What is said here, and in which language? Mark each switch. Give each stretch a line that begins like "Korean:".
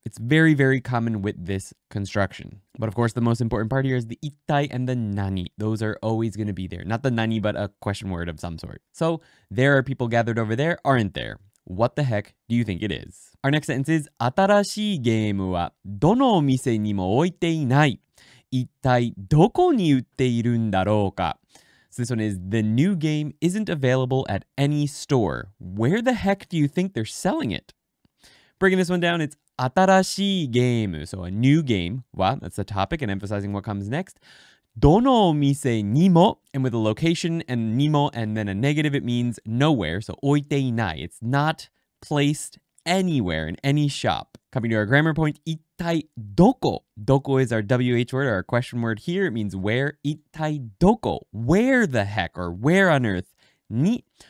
English: It's very, very common with this construction. But of course, the most important part here is the いったい and the何. Those are always going to be there. Not the 何, but a question word of some sort. So there are people gathered over there, aren't there? What the heck do you think it is?
Japanese: Our next sentence is 新しいゲームはどのお店にも置いていない。一体どこに売っているんだろうか?
English: So this one is the new game isn't available at any store. Where the heck do you think they're selling it? Breaking this one down, it's
Japanese: 新しいゲーム.
English: So a new game. Wow, that's the topic and emphasizing what comes next.
Japanese: どのお店にも
English: and with a location and にも and then a negative it means nowhere so
Japanese: 置いていない
English: it's not placed anywhere in any shop coming to our grammar point
Japanese: 一体どこどこ
English: is our WH word our question word here it means where
Japanese: 一体どこ
English: where the heck or where on earth に